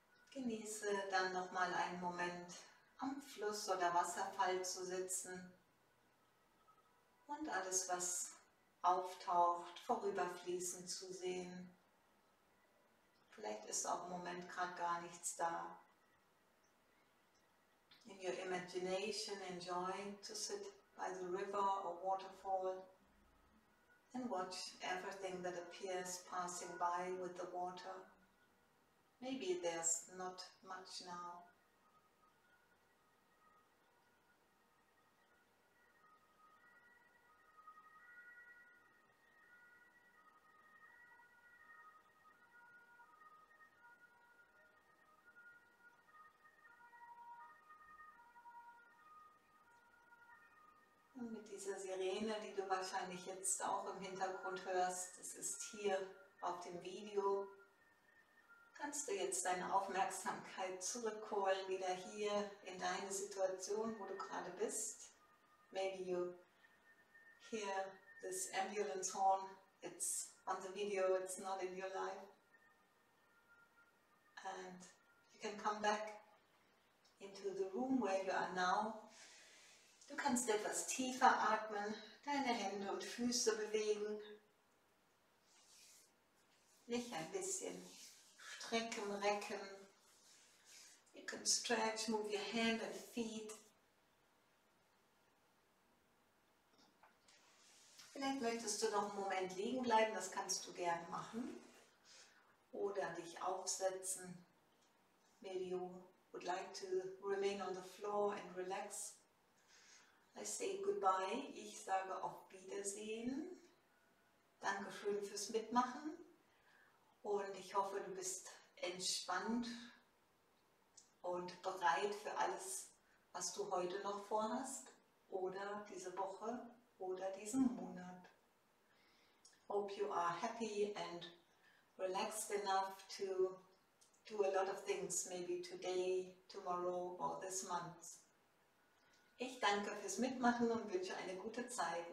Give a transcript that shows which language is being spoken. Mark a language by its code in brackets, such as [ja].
[de] Genieße dann noch mal einen Moment am Fluss oder Wasserfall zu sitzen. Und alles, was auftaucht, vorüberfließen zu sehen. Vielleicht ist auch im Moment gerade gar nichts da. [en] In your imagination, enjoy to sit by the river or waterfall and watch everything that appears passing by with the water. Maybe there's not much now. [de] Mit diese Sirene, die du wahrscheinlich jetzt auch im Hintergrund hörst, das ist hier auf dem Video. Kannst du jetzt deine Aufmerksamkeit zurückholen, wieder hier in deine Situation, wo du gerade bist? [en] Maybe you hear this ambulance horn. It's on the video, it's not in your life. And you can come back into the room where you are now. [de] Du kannst etwas tiefer atmen, deine Hände und Füße bewegen. Nicht ein bisschen strecken, recken. [en] You can stretch, move your hand and feet. [de] Vielleicht möchtest du noch einen Moment liegen bleiben, das kannst du gern machen. Oder dich aufsetzen. [en] Maybe you would like to remain on the floor and relax. I say goodbye, [de] ich sage auf Wiedersehen. Dankeschön fürs Mitmachen. Und ich hoffe, du bist entspannt und bereit für alles, was du heute noch vorhast. Oder diese Woche oder diesen Monat. [en] Hope you are happy and relaxed enough to do a lot of things, maybe today, tomorrow or this month. [de] Ich danke fürs Mitmachen und wünsche eine gute Zeit.